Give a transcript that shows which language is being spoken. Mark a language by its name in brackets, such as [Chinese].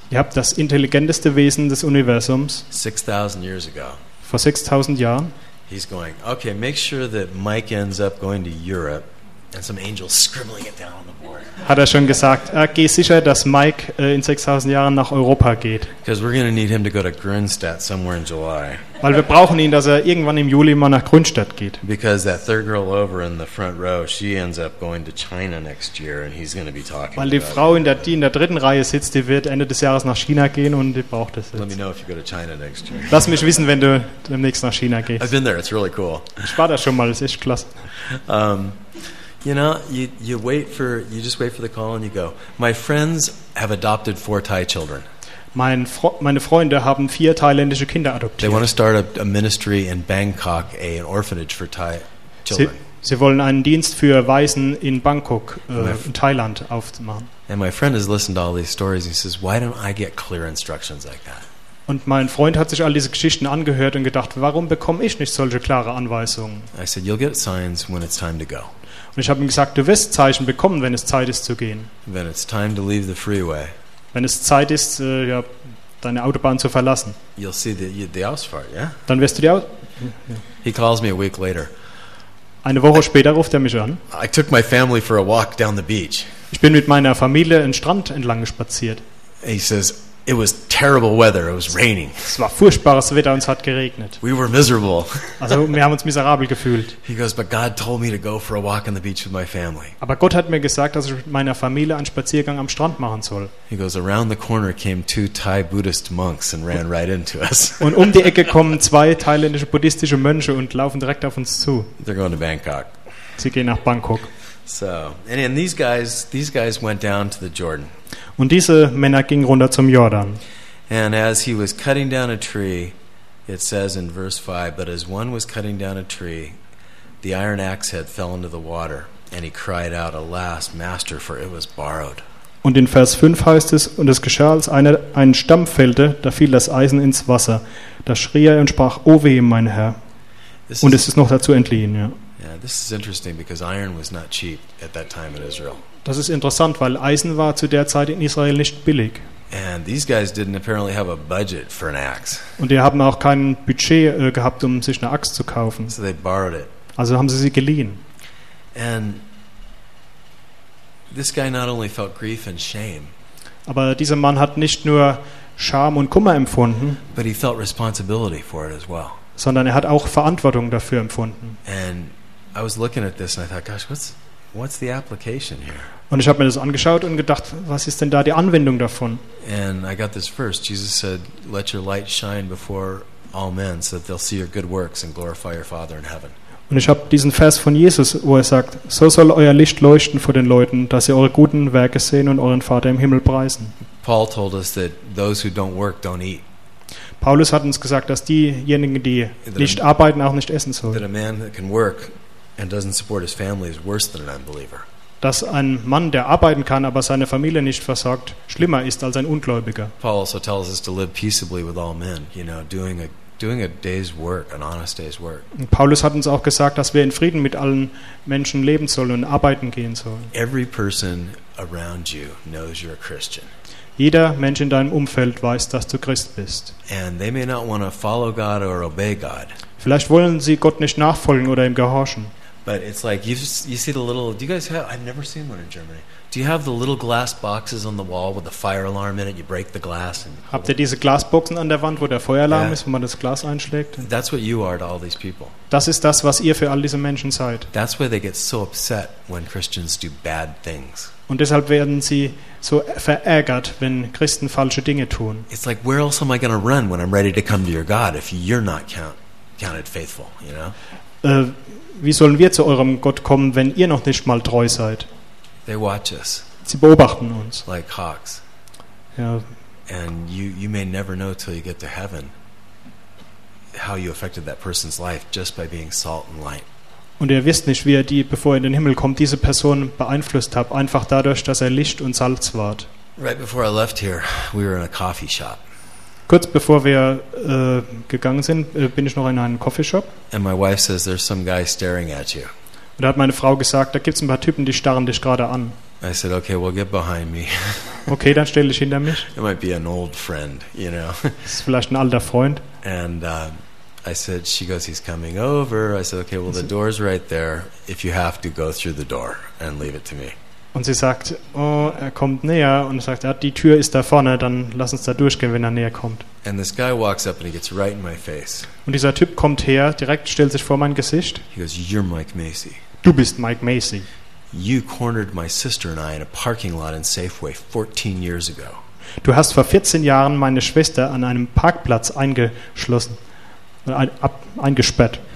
[German] Ihr habt das intelligenteste Wesen des Universums. [English] 6000 years ago. [German] Vor 6000 Jahren. [English] He's going, okay, make sure that Mike ends up going to Europe And some angels scribbling it down on the board. [German] Hat er schon gesagt, geh sicher, dass Mike in 6000 Jahren nach Europa geht. [English] Because we're going to need him to go to Grünstadt somewhere in July. [German] Weil wir brauchen ihn, dass er irgendwann im Juli mal nach Grünstadt geht. [English] Because that third girl over in the front row, she ends up going to China next year and he's going to be talking. [German] Weil die Frau in der die in der dritten Reihe sitzt, die wird Ende des Jahres nach China gehen und die braucht es. [English] Let me know if you go to China next year. [German] Lass mich wissen, wenn du demnächst nach China gehst. [English] I've been there, it's really cool. [German] Ich war da schon mal, es ist klasse. [English] You know, you just wait for the call and you go. My friends have adopted 4 Thai children. [German] Meine Freunde haben 4 thailändische Kinder adoptiert. [English] They want to start a ministry in Bangkok, an orphanage for Thai children. [German] Sie wollen einen Dienst für Waisen in Bangkok, in Thailand aufmachen. [English] And my friend has listened to all these stories. He says, "Why don't I get clear instructions like that?" [German] Und mein Freund hat sich all diese Geschichten angehört und gedacht, warum bekomme ich nicht solche klare Anweisungen? [English] I said, "You'll get signs when it's time to go." [German] Und ich habe ihm gesagt, du wirst Zeichen bekommen, wenn es Zeit ist zu gehen. [English] When it's time to leave the freeway. [German] Wenn es Zeit ist, ja, deine Autobahn zu verlassen. [English] You'll see the Ausfahrt, yeah? [German] Dann wirst du die [English] He calls me a week later. [German] Eine Woche später ruft er mich an. [English] I took my family for a walk down the beach. [German] Ich bin mit meiner Familie den Strand entlang spaziert. [English] He says, "It was terrible weather. It was raining." [German] Es war furchtbares Wetter und es hat geregnet. [English] We were miserable. [German] Also wir haben uns miserabel gefühlt. [English] He goes, "But God told me to go for a walk on the beach with my family." [German] Aber Gott hat mir gesagt, dass ich mit meiner Familie einen Spaziergang am Strand machen soll. [English] He goes, "Around the corner came 2 Thai Buddhist monks and ran right into us." [German] Und um die Ecke kommen 2 thailändische buddhistische Mönche und laufen direkt auf uns zu. [English] They're going to Bangkok. [German] Sie gehen nach Bangkok. [English] So, and these guys went down to the Jordan. [German] Und diese Männer gingen runter zum Jordan. [English] And as he was cutting down a tree, it says in verse 5, "But as one was cutting down a tree, the iron axe head fell into the water, and he cried out, 'Alas, master, for it was borrowed.'" [German] Und in Vers 5 heißt es, und es geschah, als einer einen Stamm fällte, da fiel das Eisen ins Wasser. Da schrie er und sprach, "O weh, mein Herr." Und es ist noch dazu entliehen, ja. [English] Yeah, this is interesting because iron was not cheap at that time in Israel. [German] Das ist interessant, weil Eisen war zu der Zeit in Israel nicht billig. [English] And these guys didn't apparently have a budget for an axe. [German] Und die haben auch kein Budget gehabt, um sich eine Axt zu kaufen. [English] So they borrowed it. [German] Also haben sie geliehen. [English] And this guy not only felt grief and shame. [German] Aber dieser Mann hat nicht nur Scham und Kummer empfunden, [English] but he felt responsibility for it as well. [German] Sondern er hat auch Verantwortung dafür empfunden. [English] And I was looking at this and I thought, gosh, what's the application here? [German] Und ich habe mir das angeschaut und gedacht, was ist denn da die Anwendung davon? [English] And I got this first. Jesus said, "Let your light shine before all men, so that they'll see your good works and glorify your Father in heaven." [German] Und ich habe diesen Vers von Jesus, wo er sagt, so soll euer Licht leuchten vor den Leuten, dass sie eure guten Werke sehen und euren Vater im Himmel preisen. [English] Paul told us that those who don't work don't eat. [German] Paulus hat uns gesagt, dass diejenigen, die nicht arbeiten, auch nicht essen sollen. [English] That a man that can work and doesn't support his family is worse than an unbeliever. [German] Dass ein Mann, der arbeiten kann, aber seine Familie nicht versorgt, schlimmer ist als ein Ungläubiger. [English] Paul also tells us to live peaceably with all men, you know, doing a day's work, an honest day's work. [German] Und Paulus hat uns auch gesagt, dass wir in Frieden mit allen Menschen leben sollen und arbeiten gehen sollen. [English] Every person around you knows you're a Christian. [German] Jeder Mensch in deinem Umfeld weiß, dass du Christ bist. [English] And they may not want to follow God or obey God. [German] Vielleicht wollen sie Gott nicht nachfolgen oder ihm gehorchen. [English] But it's like you see the little. Do you guys have? I've never seen one in Germany. Do you have the little glass boxes on the wall with the fire alarm in it? You break the glass. And [German] habt ihr diese Glasboxen an der Wand, wo der Feueralarm ist, wo man das Glas einschlägt? [English] That's what you are to all these people. [German] Das ist das, was ihr für all diese Menschen seid. [English] That's why they get so upset when Christians do bad things. [German] Und deshalb werden sie so verärgert, wenn Christen falsche Dinge tun. [English] It's like, where else am I going to run when I'm ready to come to your God if you're not counted faithful? You know. [German] Wie sollen wir zu eurem Gott kommen, wenn ihr noch nicht mal treu seid? [English] They watch us. [German] Sie beobachten uns. [English] Like hawks. [German] Ja. [English] And you may never know till you get to heaven how you affected that person's life just by being salt and light. [German] Und ihr wisst nicht, wie ihr die, bevor ihr in den Himmel kommt, diese Person beeinflusst habt, einfach dadurch, dass er Licht und Salz ward. [English] Right before I left here, we were in a coffee shop. [German] Kurz bevor wir gegangen sind, bin ich noch in einen Coffeeshop. [English] And my wife says, "There's some guy staring at you." [German] Und da hat meine Frau gesagt, da gibt's ein paar Typen, die starren dich gerade an. [English] I said, "Okay, well, get behind me." [German] Okay, dann stell dich hinter mich. [English] It might be an old friend, you know. [German] Ist vielleicht ein alter Freund. [English] And I said, she goes, he's coming over. I said, okay, well, the door's right there. If you have to, go through the door and leave it to me. [German] Und sie sagt, oh, er kommt näher. Und sagt, ja, die Tür ist da vorne, dann lass uns da durchgehen, wenn er näher kommt. [English] And this guy walks up and he gets right in my face. [German] Und dieser Typ kommt her, direkt stellt sich vor mein Gesicht. [English] He goes, you're Mike Macy. [German] Du bist Mike Macy. [English] You cornered my sister and I in a parking lot in Safeway 14 years ago. [German] Du hast vor 14 Jahren meine Schwester an einem Parkplatz eingeschlossen, eingesperrt.